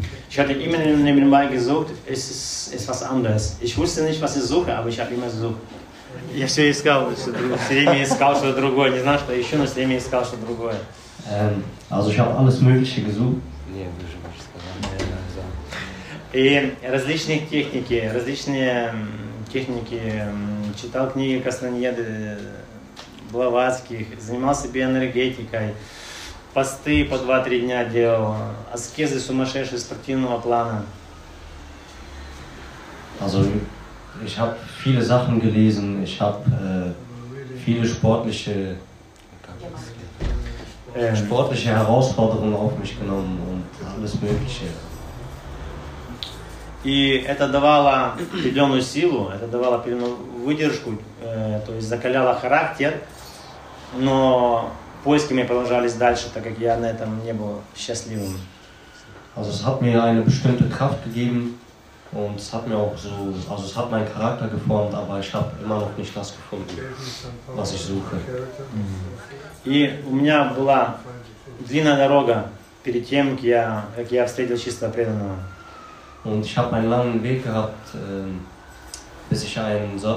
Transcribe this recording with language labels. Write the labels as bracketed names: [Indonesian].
[German] Ich hatte immer nebenbei gesucht, es ist was anderes. Ich wusste nicht, was ich suche, aber ich habe immer gesucht. [Russian] Я все искал, все время искал что-то другое, не знал, что еще, но все время искал что-то другое. [German] Also ich habe alles Mögliche gesucht. [Russian] И различные техники, читал книги Кастаньеды, Блаватских, занимался биоэнергетикой, посты по 2-3 дня делал, аскезы сумасшедшие спортивного плана. [German] Also ich habe viele Sachen gelesen, ich habe viele sportliche Herausforderungen auf mich genommen und alles Mögliche. [Russian] И это давало определенную силу, это давало определенную выдержку, то есть закаляло характер, но поиски мне продолжались дальше, так как я на этом не был счастливым. [German] Also es hat mir eine bestimmte Kraft gegeben und es hat mir auch so, also es hat meinen Charakter geformt, aber ich habe immer noch nicht das gefunden, was ich suche. [Russian] И у меня была длинная дорога перед тем, как я встретил чисто преданного. [German] Und ich habe einen langen Weg gehabt, bis ich einen